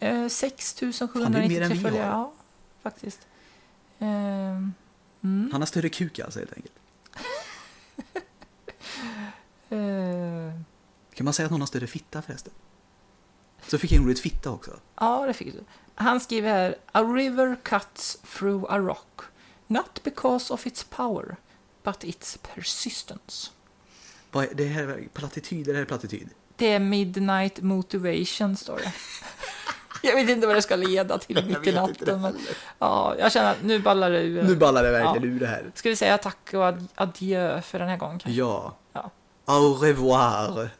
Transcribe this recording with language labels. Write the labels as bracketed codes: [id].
[sv] 6793 följare. Ja, faktiskt. Han har större kuka, alltså, helt enkelt. Kan man säga att någon har större fitta, förresten? Så fick han roligt fitta också. Ja, det fick du. Han skriver här: [en] a river cuts through a rock, not because of its power, but its persistence. [sv] Vad är det här? Platityd? Det är Midnight Motivation, står det. Jag vet inte vad det ska leda till mitt i natten. Men, ja, jag känner att nu ballar det ur. Nu ballar det verkligen ur det här. Ska vi säga tack och adjö för den här gången? Kanske? Ja. [fr] Au revoir.